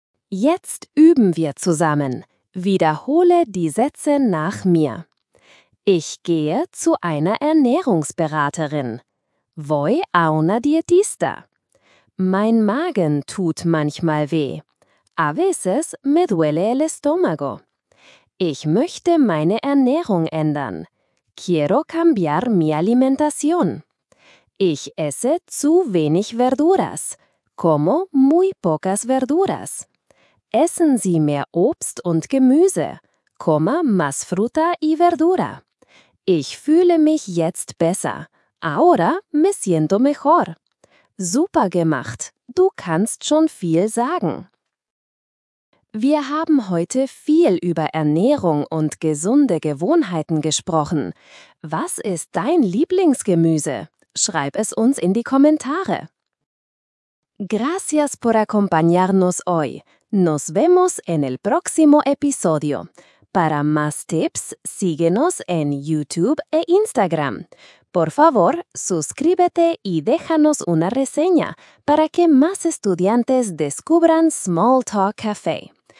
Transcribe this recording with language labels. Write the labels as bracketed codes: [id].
[de] Jetzt üben wir zusammen. Wiederhole die Sätze nach mir. Ich gehe zu einer Ernährungsberaterin. [es] Voy a una dietista. [de] Mein Magen tut manchmal weh. [es] A veces me duele el estómago. [de] Ich möchte meine Ernährung ändern. [es] Quiero cambiar mi alimentación. [de] Ich esse zu wenig verduras. [es] Como muy pocas verduras. [de] Essen Sie mehr Obst und Gemüse. [es] Coma más fruta y verdura. [de] Ich fühle mich jetzt besser. [es] Ahora me siento mejor. [de] Super gemacht. Du kannst schon viel sagen. Wir haben heute viel über Ernährung und gesunde Gewohnheiten gesprochen. Was ist dein Lieblingsgemüse? Schreib es uns in die Kommentare. [es] Gracias por acompañarnos hoy. Nos vemos en el próximo episodio. Para más tips, síguenos en YouTube e Instagram. Por favor, suscríbete y déjanos una reseña para que más estudiantes descubran Small Talk Café.